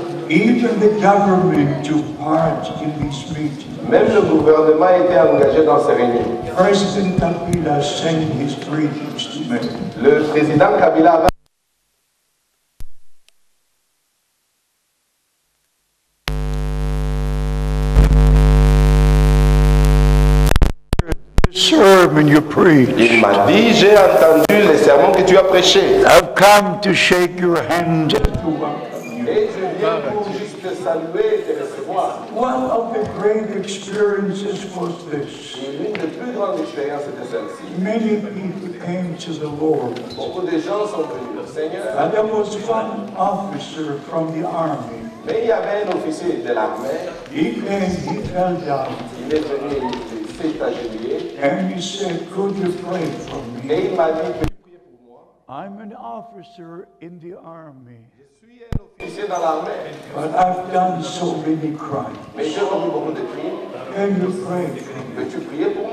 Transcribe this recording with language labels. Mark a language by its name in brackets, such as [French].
[English] Even the government took part in these meetings. [French] Même le gouvernement était engagé dans ces réunions. [English] President Kabila sent his greetings to me. [French] Le président Kabila avait [English] sermon you preach. [French] Il m'a dit, j'ai entendu les sermons que tu as prêché. [English] I've come to shake your hand. [French] Et je viens pour juste te saluer et te recevoir. [English] One of the great experiences was this. [French] L'une des plus grandes expériences était celle-ci. [English] Many people came to the Lord. [French] Beaucoup de gens sont venus au Seigneur. [English] And there was one officer from the army. [French] Mais il y avait un officier de l'armée. [English] He came, he fell down. [French] Il est venu. [English] And he said, could you pray for me? I'm an officer in the army. But I've done so many crimes. Can you pray for me?